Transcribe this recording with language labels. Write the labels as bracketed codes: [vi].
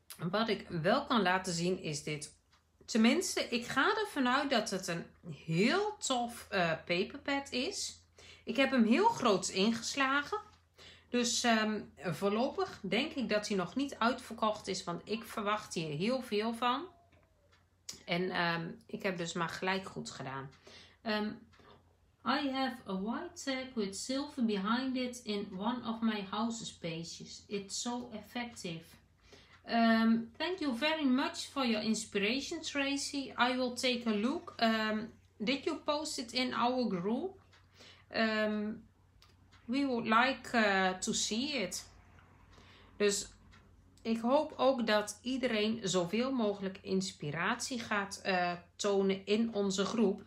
[nl] Wat ik wel kan laten zien is dit. Tenminste, ik ga er vanuit dat het een heel tof paperpad is. Ik heb hem heel groot ingeslagen. Dus voorlopig denk ik dat hij nog niet uitverkocht is. Want ik verwacht hier heel veel van. En ik heb dus maar gelijk goed gedaan. [en] I have a white tag with silver behind it in one of my house spaces. It's so effective. Thank you very much for your inspiration, Tracy. I will take a look. Did you post it in our group? We would like to see it. [nl] Dus ik hoop ook dat iedereen zoveel mogelijk inspiratie gaat tonen in onze groep.